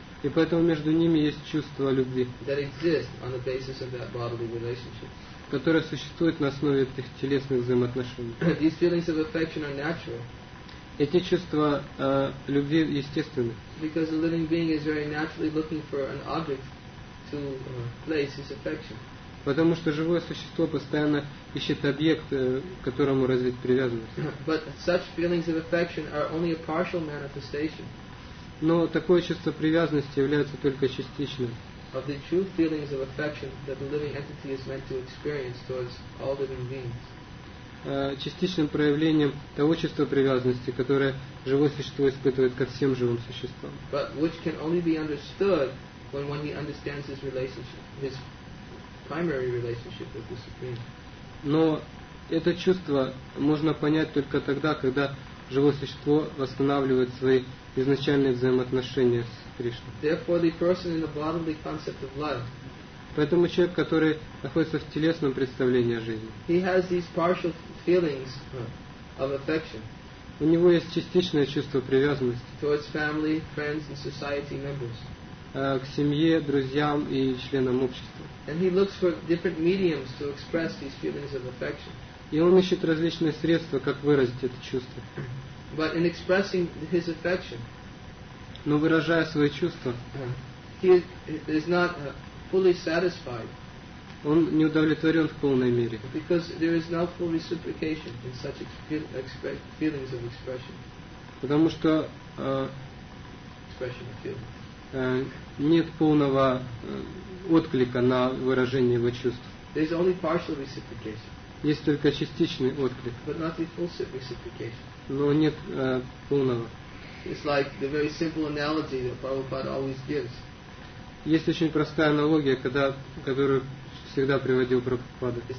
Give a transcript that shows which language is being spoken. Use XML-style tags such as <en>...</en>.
<ru>И поэтому между ними есть чувство любви,</ru> <en>that exist on the basis of that bodily relationship.</en> <ru>Которое существует на основе этих телесных взаимоотношений.</ru> <en>These feelings of affection are natural.</en> <ru>Эти чувства любви естественны.</ru> <en>Because a living being is very naturally looking for an object to place his affection.</en> <ru>Потому что живое существо постоянно ищет объект, к которому развить привязанность.</ru> <en>But such feelings of affection are only a partial manifestation.</en> <ru>Но такое чувство привязанности является только частичным.</ru> <en>Of the true feelings of affection that the living entity is meant to experience towards all living beings.</en> <ru>частичным проявлением того чувства привязанности, которое живое существо испытывает ко всем живым существам.</ru> <en>But which can only be understood when one understands his relationship, his primary relationship with the Supreme.</en> <ru>Но это чувство можно понять только тогда, когда живое существо восстанавливает свои изначальные взаимоотношения с Кришной.</ru> <en>Therefore, the person in the bodily concept of life.</en> <ru>Поэтому человек, который находится в телесном представлении о жизни,</ru> <en>he has these partial feelings of affection.</en> <ru>У него есть частичное чувство привязанности</ru> <en>towards family, friends, and society members.</en> <ru>К семье, друзьям и членам общества.</ru> <en>And he looks for different mediums to express these feelings of affection.</en> <ru>И он ищет различные средства, как выразить это чувство.</ru> <en>But in expressing his affection,</en> <ru>но выражая свои чувства,</ru> <en>he is not fully satisfied.</en> <ru>Он не удовлетворен в полной мере.</ru> <en>Because there is no full reciprocation in such feelings of expression.</en> <ru>Потому что</ru> <en>expression of feeling.</en> <ru>Нет полного отклика на выражение его чувств.</ru> <en>There is only partial reciprocation.</en> <ru>Есть только частичный отклик.</ru> <en>But not the full reciprocation.</en> <ru>Но нет полного.</ru> <en>It's like the very simple analogy that Prabhupada always gives.</en> <ru>Есть очень простая аналогия, которую всегда приводил Прабхупада.</ru>